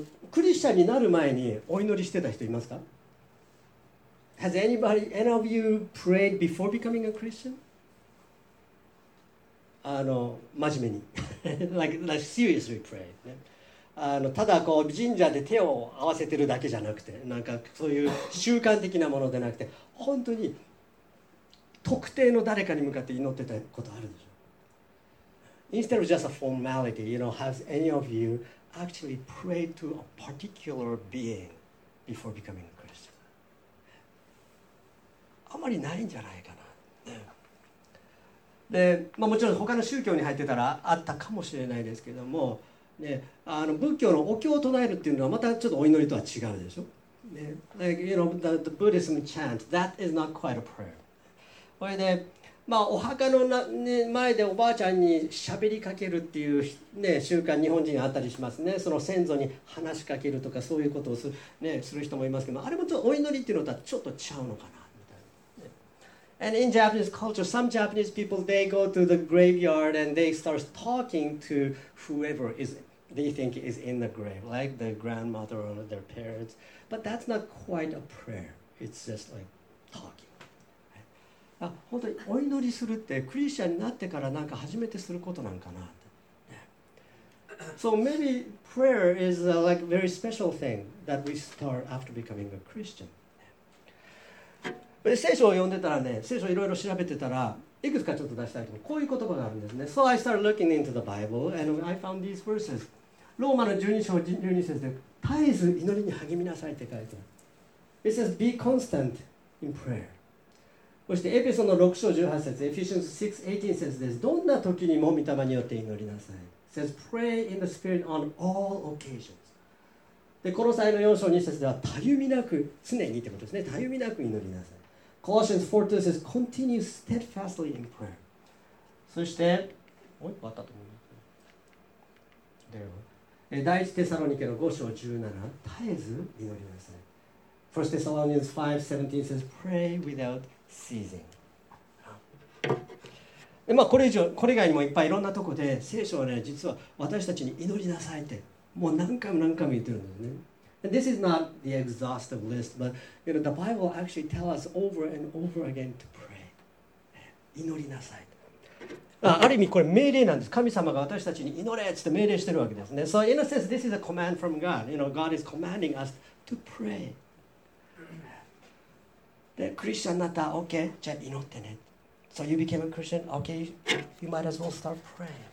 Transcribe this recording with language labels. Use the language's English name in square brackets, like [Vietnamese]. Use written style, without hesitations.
[Japanese] クリスチャンになる前にお祈りしてた人いますか？ [English] Has anybody, any of you prayed before becoming a Christian? [Japanese] 真面目に。 [English] like seriously pray.、 [Japanese] ね、ただこう神社で手を合わせてるだけじゃなくて、なんかそういう習慣的なものでなくて、本当に特定の誰かに向かって祈ってたことあるでしょ。 [English] Instead of just a formality, you know, has any of you actually prayed to a particular being before becoming a Christian? [Japanese] あまりないんじゃないかな。で、まあ、もちろん他の宗教に入ってたらあったかもしれないですけども、ね、仏教のお経を唱えるっていうのはまたちょっとお祈りとは違うでしょ。 [English] ね、like, you know, the Buddhism chant, that is not quite a prayer. [Japanese] これで、まあ、お墓の前でおばあちゃんに喋りかけるっていう、ね、習慣日本人あったりしますね。その先祖に話しかけるとかそういうことを する人もいますけども、あれもちょっとお祈りっていうのとはちょっとちゃうのかなみたいな。 [English] And in Japanese culture, some Japanese people, they go to the graveyard and they start talking to whoever is, they think is in the grave, like the grandmother or their parents. But that's not quite a prayer. It's just like talking. [Japanese] 本当にお祈りするってクリスチャンになってからなんか初めてすることなんかなって。 [English] So maybe prayer is a like very special thing that we start after becoming a Christian. [Japanese] 聖書を読んでたらね、聖書をいろいろ調べてたらいくつかちょっと出したいと思う。こういう言葉があるんですね。 [English] So I started looking into the Bible and I found these verses. [Japanese] ローマの12章12節で絶えず祈りに励みなさいって書いてある。 [English] It says be constant in prayer. [Japanese] そしてエペソの6章18節、エフィシャンズ6、18節です。どんな時にも御霊によって祈りなさい。 [English] says, pray in the spirit on all occasions. [Japanese] で、コロサイの4章2節では、たゆみなく、常にってことですね。たゆみなく祈りなさい。 [English] コロシャンズ4、2 says, continue steadfastly in prayer. [Japanese] そして、もう一個あったと思います。では、第1テサロニケの5章17、絶えず祈りなさい。 [English] 1 Thessalonians 5, 17 says, pray withoutSeizing. [Japanese] でまあ、これ以外にもいっぱいいろんなとこで聖書はね、実は私たちに祈りなさいってもう何回も何回も言ってるんですね。 [English] And this is not the exhaustive list, but you know, the Bible actually tells us over and over again to pray. [Japanese] 祈りなさい。ある意味これ命令なんです。神様が私たちに祈れって命令してるわけですね。 [English] So in a sense, this is a command from God. You know, God is commanding us to pray. [Japanese] でクリスチャンになったら OK じゃあ祈ってね。 [English] So you became a Christian OK you might as well start praying.